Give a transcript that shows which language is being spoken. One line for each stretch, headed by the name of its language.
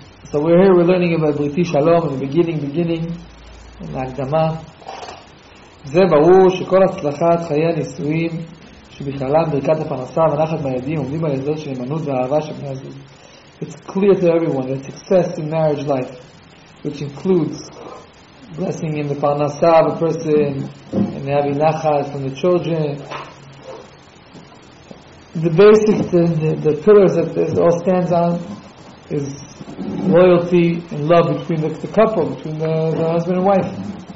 English: So we're here, we're learning about Briti Shalom in the beginning, in the Agdama.
Hebrew: זה ברור שכל הצלחת חיי הנישואים שבכללם ברכת הפרנסה ונחת בידים עומדים על יסוד של אמנות ואהבה של בני הזוג.
English: It's clear to everyone that success in marriage life, which includes blessing in the parnasa of a person and having nachas from the children, the basic, the pillars that this all stands on is loyalty and love between the couple, between the husband and wife.